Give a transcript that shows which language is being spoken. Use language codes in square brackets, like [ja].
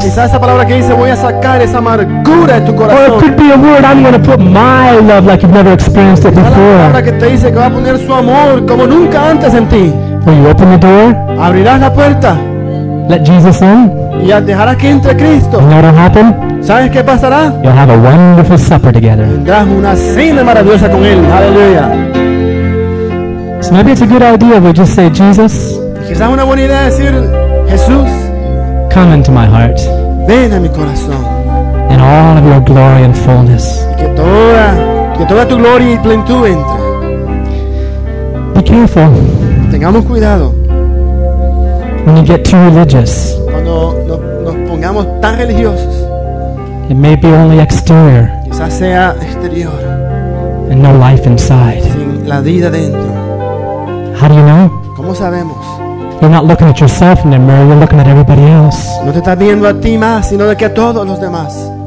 [es] Quizás esa palabra que dice, voy a sacar esa amargura de tu corazón. [en] Or it could be a word, I'm going to put my love like you've never experienced it before. [es] Quizás la palabra que te dice que va a poner su amor como nunca antes en ti. [en] Will you open the door? [es] ¿Abrirás la puerta? [en] Let Jesus in. [es] Y dejarás que entre Cristo. [en] You know what'll happen? [es] ¿Sabes qué pasará? [en] You'll have a wonderful supper together. [es] Tendrás una cena maravillosa con él. Aleluya. [en] So maybe it's a good idea we just say, Jesus. [es] Quizás una buena idea decir, Jesús. [en] Come into my heart. [es] Ven a mi corazón. [en] In all of your glory and fullness. [es] Que toda tu gloria y plenitud entre. [en] Be careful. [es] Tengamos cuidado. [en] When you get too religious. [es] Cuando nos pongamos tan religiosos. [en] It may be only exterior. [es] Quizás sea exterior. [en] And no life inside. [es] Sin la vida dentro. [en] How do you know? [es] ¿Cómo sabemos? [en] You're not looking at yourself in the mirror, you're looking at everybody else. [es] No te estás viendo a ti más, sino de que a todos los demás.